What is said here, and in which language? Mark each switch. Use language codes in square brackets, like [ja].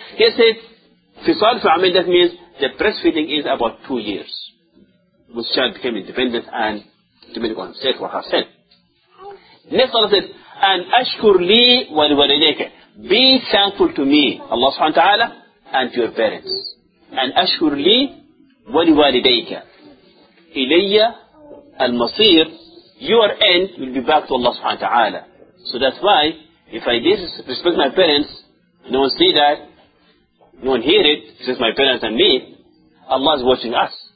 [en] He said, [ar] فِصَالُ فَعَمَيْنِ, [en] that means the breastfeeding is about 2 years. Which child became independent and depending on himself or herself. Next Allah said, [ar] أَنْ أَشْكُرْ لِي وَلِوَالِدَيْكَ. [en] Be thankful to me, Allah subhanahu wa ta'ala, and to your parents. [ar] أَنْ أَشْكُرْ لِي وَلِوَالِدَيْكَ. إِلَيَّ الْمَصِيرِ. [en] Your end will be back to Allah subhanahu wa ta'ala. So that's why, if I disrespect my parents, no one see that, no one hear it, just my parents and me, Allah is watching us.